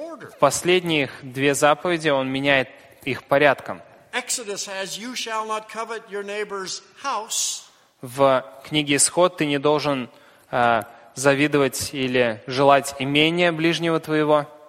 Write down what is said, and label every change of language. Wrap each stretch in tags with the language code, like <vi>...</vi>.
<ru>в последних две заповеди он меняет их порядком.</ru> <en>Exodus has «you shall not covet your neighbor's house».</en> <ru>В книге «Исход» ты не должен завидовать или желать имения ближнего твоего.</ru>